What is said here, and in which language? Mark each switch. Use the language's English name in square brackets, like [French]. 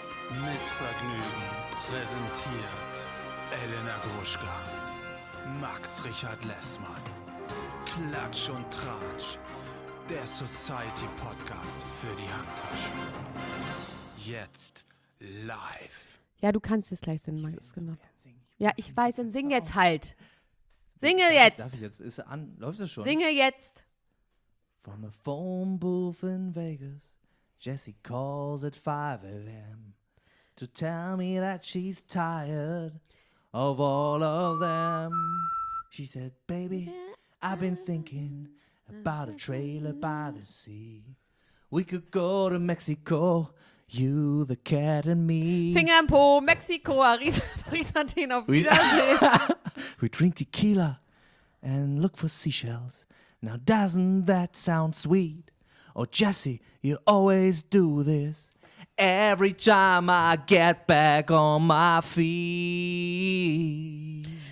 [German] Mitvergnügen präsentiert Elena Gruschka, Max Richard Lessmann, Klatsch und Tratsch, der Society Podcast für die Handtasche. Jetzt live. Ja, du kannst jetzt gleich singen, Max. Genau. Ja, ich weiß, dann sing jetzt halt. Singe jetzt. Darf ich jetzt? Ist an? Läuft das schon? Singe jetzt. [English] From a phone booth in Vegas, Jessie calls at 5 a.m. to tell me that she's tired of all of them. She said, baby, I've been thinking about a trailer by the sea. We could go to Mexico, you, the cat and me. [German] Finger im Po, Mexiko, Paris-Athen auf Wiedersehen. [English] We drink tequila and look for seashells. Now doesn't that sound sweet? Oh, Jesse, you always do this. Every time I get back on my feet.